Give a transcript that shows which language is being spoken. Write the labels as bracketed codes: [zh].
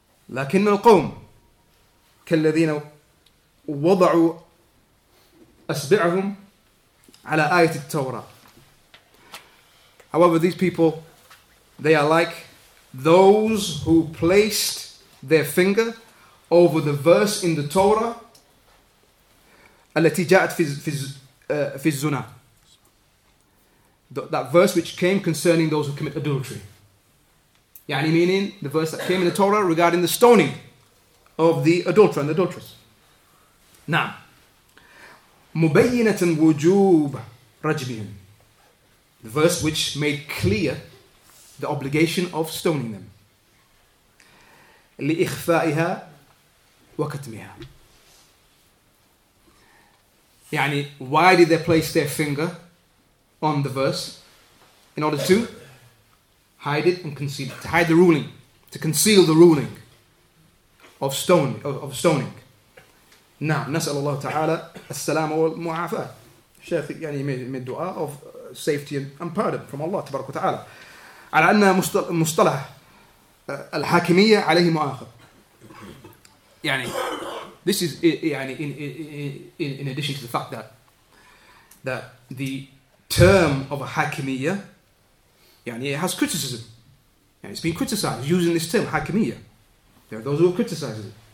[ar] لكن القوم كالذين وضعوا أصبعهم على آية التوراة. [en] However, these people, they are like those who placed their finger over the verse in the Torah [ar] التي جاءت في الزنا. [en] That verse which came concerning those who commit adultery. يعني meaning the verse that came in the Torah regarding the stoning of the adulterer and the adulteress. [ar] نعم. مبينة وجوب رجمهم. [en] The verse which made clear the obligation of stoning them. [ar] لإخفائها وكتمها. [en] يعني why did they place their finger on the verse? In order to hide it and conceal it, to hide the ruling, to conceal the ruling of stone of stoning. [ar] Now, نسأل الله تعالى السلام والمعافاة. [en] شيخ يعني made dua of safety and pardon from Allah تبارك وتعالى. [ar] على أن مصطلح الحاكمية عليه مؤاخذ. [en] يعني this is يعني in addition to the fact that the term of a حاكمية يعني it has criticism. Yeah, it's been criticized using this term, hakimiyya. There are those who have criticized it.